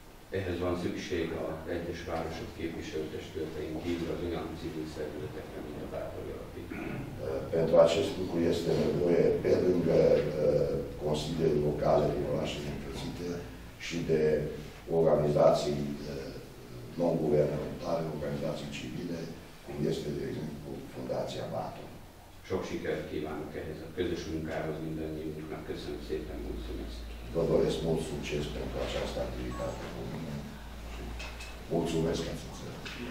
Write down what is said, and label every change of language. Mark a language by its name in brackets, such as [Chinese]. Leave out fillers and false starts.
[Hungarian] Ehhez van szükség az egyes városok képviselőtestületein kívül az olyan civil szervezetekre, mint a Bátori Alapítvány. [Romanian] Pentru acest lucru este nevoie pe lângă consiliile locale din orașele împărțite și de organizații non-guvernamentale, organizații civile, cum este, de exemplu, Fundația Bátor. [Hungarian] Sok sikert kívánok ehhez a közös munkához mindannyiunknak. Köszönöm szépen, [Romanian] mulțumesc! Vă doresc mult succes pentru această activitate comună și mulțumesc că ați înțeles.